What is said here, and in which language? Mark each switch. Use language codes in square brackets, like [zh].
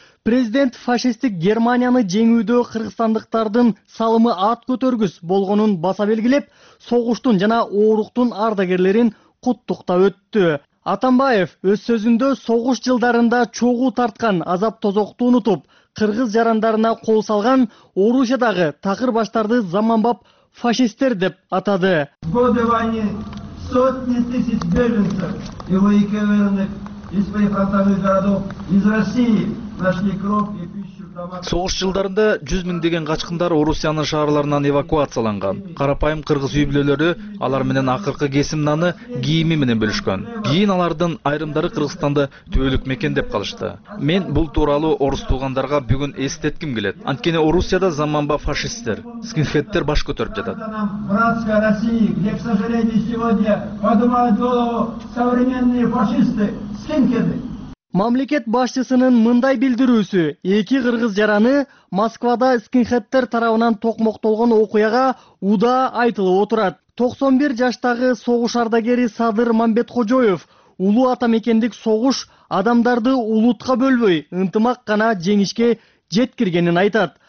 [ky] Президент фашисттик Германияны жеңүүдө кыргызстандыктардын салымы ат көтөргүс болгонун баса белгилеп, согуштун жана ооруктун ардагерлерин куттуктап өттү. Атамбаев өз сөзүндө согуш жылдарында чогуу тарткан азап тозокту унутуп, кыргыз жарандарына кол салган орушадагы такыр баштарды заманбап фашисттер деп атады. [ru] В годы войны сотни тысяч беженцев и выкинутых из своих родных городов из России нашли кровь и пищу. [ky] Согуш жылдарында 100 000 деген качкындар Орусиянын шаарларынан эвакуацияланган. Карапайым кыргыз үй бүлөлөрү алар менен акыркы кесим наны, кийими менен бөлүшкөн. Кийин алардын айрымдары Кыргызстанды түбөлүк мекендеп калышты. Мен бул тууралуу орус туугандарга бүгүн эстетким келет. Анткени Орусияда заманбап фашисттер, скинхеттер баш көтөрүп жатат. [ru] Братская Россия, где, к сожалению, сегодня поднимают голову современные фашисты, скинхеды. [ky] Мамлекет башчысынын мындай билдирүүсү эки кыргыз жараны Москвада скинхеттер тарабынан токмоктолгон окуяга уда айтылып отурат. 91 жаштагы согуш ардагери Садыр Мамбетходжоев улуу ата мекендик согуш адамдарды улутка бөлбөй, ынтымак гана жеңишке жеткиргенин айтат.